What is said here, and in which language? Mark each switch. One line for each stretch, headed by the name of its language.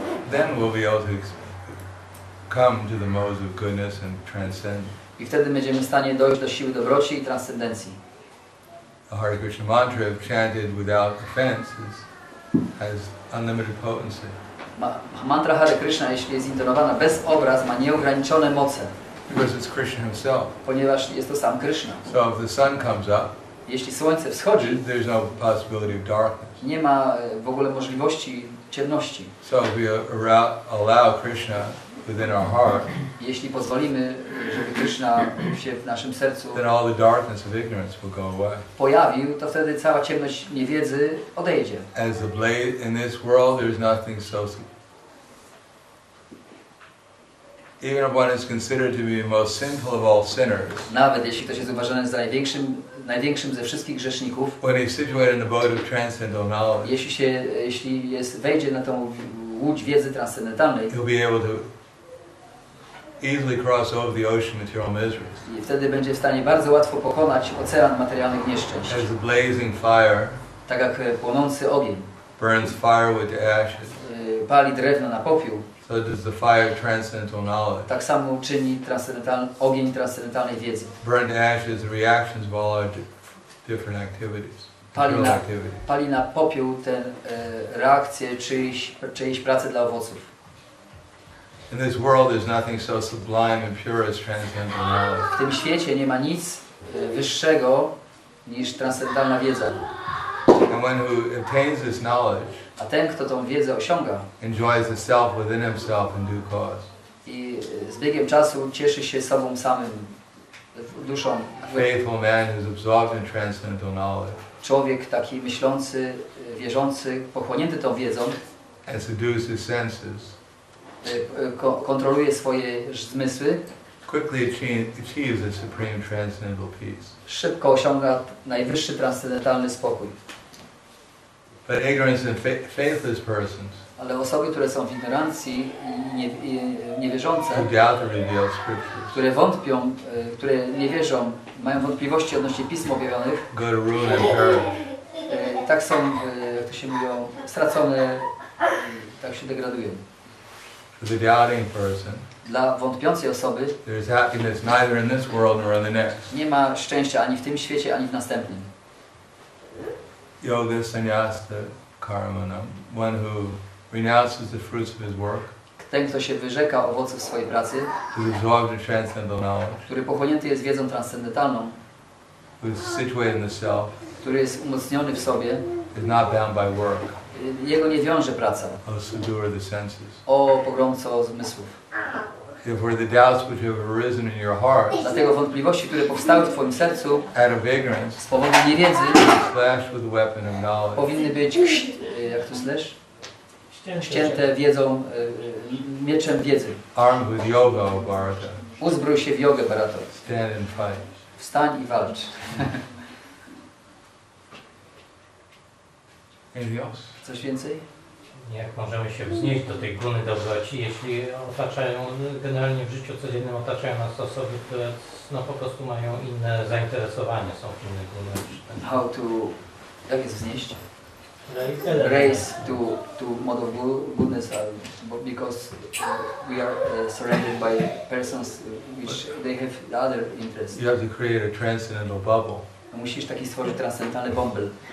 English: Then we'll be able to come to the modes of goodness and transcend.
Polish: I wtedy będziemy w stanie dojść do siły dobroci i transcendencji.
English: The Hare Krishna mantra chanted without offense has unlimited potency.
Polish: Mantra Hare Krishna, jeśli jest intonowana bez obraz, ma nieograniczone moce.
English: Because it's Krishna himself.
Polish: Ponieważ jest to sam Krishna.
English: So if the sun comes up,
Polish: jeśli słońce wschodzi,
English: there's no possibility of darkness.
Polish: Nie ma w ogóle możliwości ciemności.
English: So if we allow Krishna within our heart,
Polish: jeśli pozwolimy, żeby Krishna się w naszym sercu,
English: then all the darkness of ignorance will go away.
Polish: Pojawił, to wtedy cała ciemność niewiedzy odejdzie.
English: As the blade in this world, there's nothing so. Even if one is considered to be the most sinful of all sinners,
Polish: nawet jeśli ktoś jest uważany za największym ze wszystkich grzeszników,
English: when he's situated in the boat of transcendental knowledge,
Polish: wejdzie na tą łódź wiedzy transcendentalnej,
English: he'll be able to easily cross over the ocean material miseries.
Polish: I wtedy będzie w stanie bardzo łatwo pokonać ocean materialnych nieszczęść.
English: As the blazing fire,
Polish: tak jak płonący ogień,
English: burns firewood to ashes,
Polish: pali drewno na popiół.
English: So does the fire of transcendental knowledge.
Polish: Tak samo czyni ogień transcendentalnej wiedzy.
English: Burned ashes, the reactions of all our different activities.
Polish: Pali na popiół ten reakcje czyjejś pracy dla owoców.
English: In this world there's nothing so sublime and pure as transcendental knowledge.
Polish: W tym świecie nie ma nic wyższego niż transcendentalna wiedza.
English: And one who obtains this knowledge,
Polish: a ten, kto tą wiedzę osiąga,
English: enjoys the self within himself in due course.
Polish: I z biegiem czasu cieszy się sobą samym, duszą.
English: Faithful man who is absorbed in transcendental knowledge.
Polish: Człowiek taki myślący, wierzący, pochłonięty tą wiedzą,
English: and subdues his senses,
Polish: kontroluje swoje zmysły,
English: quickly achieves a supreme transcendental peace.
Polish: Szybko osiąga najwyższy transcendentalny spokój.
English: But ignorance and faithless persons,
Polish: ale osoby, które są w ignorancji i niewierzące,
English: who doubt the revealed scriptures,
Polish: które wątpią, które nie wierzą, mają wątpliwości odnośnie pism objawionych,
English: go to ruin and perish.
Polish: Tak są, jak to się mówią, stracone, tak się degradują.
English: For the doubting person,
Polish: dla wątpiącej osoby,
English: there is happiness neither in this world nor in the next.
Polish: Nie ma szczęścia ani w tym świecie, ani w następnym.
Sanskrit: Yoga sannyasa karmanam,
English: one who renounces the fruits of his work,
Polish: ten, kto się wyrzeka owoców swojej pracy,
English: who is absorbed in transcendental knowledge,
Polish: który pochłonięty jest wiedzą transcendentalną,
English: who is situated in the self,
Polish: który jest umocniony w sobie,
English: is not bound by work,
Polish: jego nie wiąże praca,
English: o subduer of the senses,
Polish: o pogromco zmysłów.
English: If were the doubts which have arisen in your heart,
Polish: dlatego wątpliwości, które powstały w twoim sercu,
English: out of ignorance,
Polish: z powodu niewiedzy,
English: slashed with the weapon of knowledge,
Polish: powinny być, jak to slash? Ścięte wiedzą, mieczem wiedzy. Armed with yoga, O Bharata. Uzbrój się w jogę, Bharata. Stand and fight. Wstań i walcz. Coś więcej? Jak możemy się wznieść do tej góry dobroci, jeśli otaczają, generalnie w życiu codziennym otaczają nas osoby, które no, po prostu mają inne zainteresowania, są w innej górze.
English: How to,
Polish: jak jest wznieść?
English: Raise to mode of goodness, because we are surrounded by persons which they have other interests. You have to create a transcendental bubble.
Polish: Musisz taki stworzyć transcendentalny bąbel.